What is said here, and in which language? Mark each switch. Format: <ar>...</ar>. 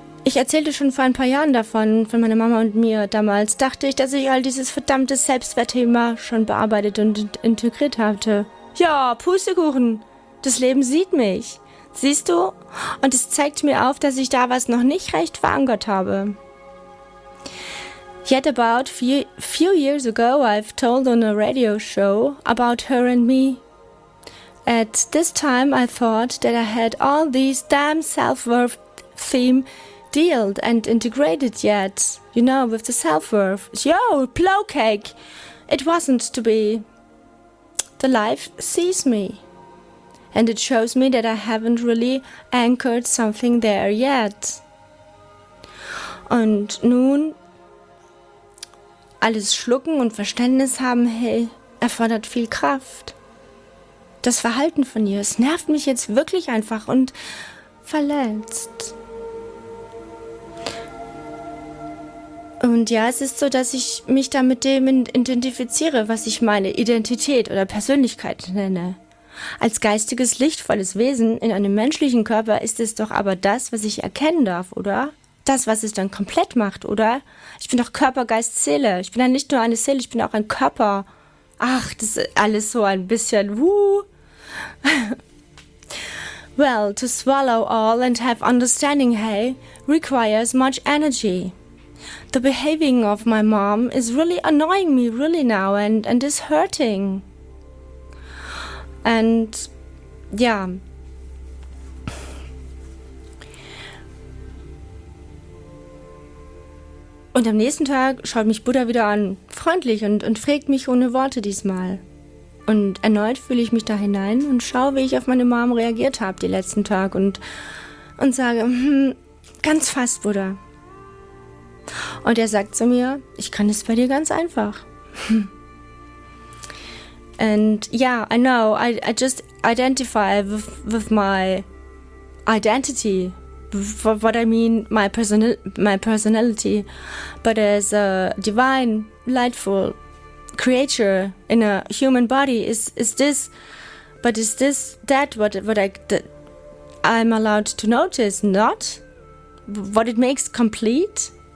<de>Ich erzählte schon vor ein paar Jahren davon, von meiner Mama und mir. Damals dachte ich, dass ich all dieses verdammte Selbstwertthema schon bearbeitet und integriert hatte. Ja, Pustekuchen. Das Leben sieht mich. Siehst du? Und es zeigt mir auf, dass ich da was noch nicht recht verankert habe.</de> <en>Yet about few years ago, I've told on a radio show about her and me. At this time, I thought that I had all these damn self-worth theme dealt and integrated yet, you know, with the self-worth. Yo, plow cake! It wasn't to be. The life sees me. And it shows me that I haven't really anchored something there yet.</en> <de>Und nun, alles schlucken und Verständnis haben, hey, erfordert viel Kraft. Das Verhalten von ihr, es nervt mich jetzt wirklich einfach und verletzt. Und ja, es ist so, dass ich mich da mit dem identifiziere, was ich meine Identität oder Persönlichkeit nenne. Als geistiges, lichtvolles Wesen in einem menschlichen Körper ist es doch aber das, was ich erkennen darf, oder? Das, was es dann komplett macht, oder? Ich bin doch Körper, Geist, Seele. Ich bin ja nicht nur eine Seele, ich bin auch ein Körper. Ach, das ist alles so ein bisschen wuh.</de> <en>Well, to swallow all and have understanding, hey, requires much energy. The behaving of my mom is really annoying me really now and is hurting. And, yeah.</en> <de>Und am nächsten Tag schaut mich Buddha wieder an, freundlich und fragt mich ohne Worte diesmal. Und erneut fühle ich mich da hinein und schaue, wie ich auf meine Mom reagiert habe die letzten Tag und sage, ganz fast, Buddha. Und er sagt zu mir, ich kann es bei dir ganz einfach.</de> <en>And yeah, I know, I just identify with my identity, what I mean, my personality, but as a divine, lightful creature in a human body, is this what I'm allowed to notice, not what it makes complete?</en>